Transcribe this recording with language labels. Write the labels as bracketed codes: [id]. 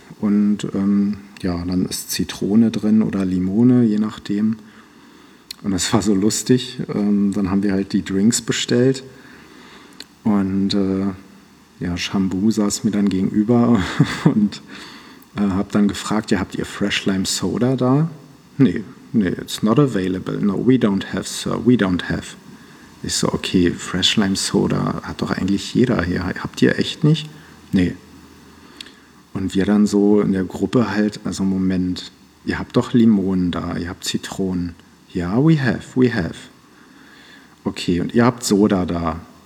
[de] Und ja, dann ist Zitrone drin oder Limone, je nachdem. Und das war so lustig. Dann haben wir halt die Drinks bestellt. Und ja, Shambu saß mir dann gegenüber und hab dann gefragt, ja, habt ihr Fresh Lime Soda da? [en] Nee, it's not available. No, we don't have, sir, we don't have. [de] Ich so, okay, Fresh Lime Soda hat doch eigentlich jeder hier. Habt ihr echt nicht? Nee. Und wir dann so in der Gruppe halt, also Moment, ihr habt doch Limonen da, ihr habt Zitronen. Ja, [en] we have. [de] Okay, und ihr habt Soda da.